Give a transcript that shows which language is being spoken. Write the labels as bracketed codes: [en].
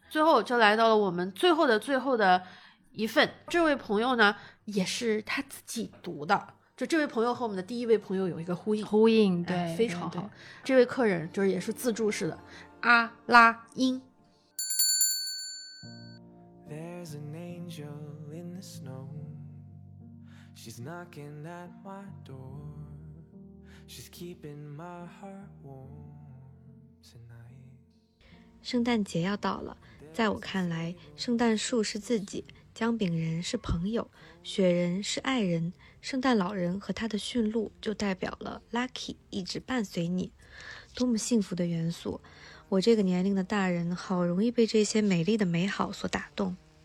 [zh] 最后就来到了我们最后的最后的一份，这位朋友呢也是他自己读的，就这位朋友和我们的第一位朋友有一个呼应，对，哎，非常好。这位客人就是也是自助式的阿拉英。 [en] There's an angel in the snow. She's knocking at my door. She's keeping my heart warm tonight. [zh] 圣诞节要到了，在我看来，圣诞树是自己，姜饼人是朋友，雪人是爱人，圣诞老人和他的驯鹿就代表了 lucky 一直伴随你，多么幸福的元素！我这个年龄的大人好容易被这些美丽的美好所打动。